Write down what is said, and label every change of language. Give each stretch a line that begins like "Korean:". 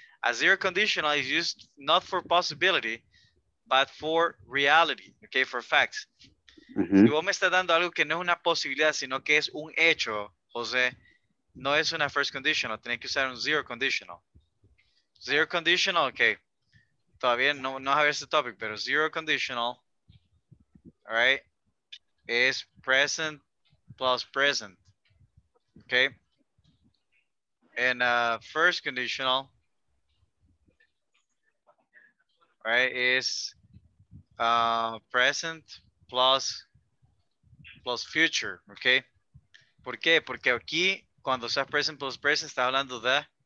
English: A zero conditional is used not for possibility, but for reality, okay, for facts.
Spanish: Mm-hmm. Si vos me estás dando algo que no es una posibilidad, sino que es un hecho, José, no es una first conditional, tenés que usar un zero conditional.
English: Zero conditional, okay.
Spanish: Todavía no sabes el
English: topic, pero zero conditional, all right, es present plus present. Okay. And first conditional, right, is present plus future.
Spanish: Okay. ¿Por qué? Porque aquí, cuando estás present plus present, está hablando de.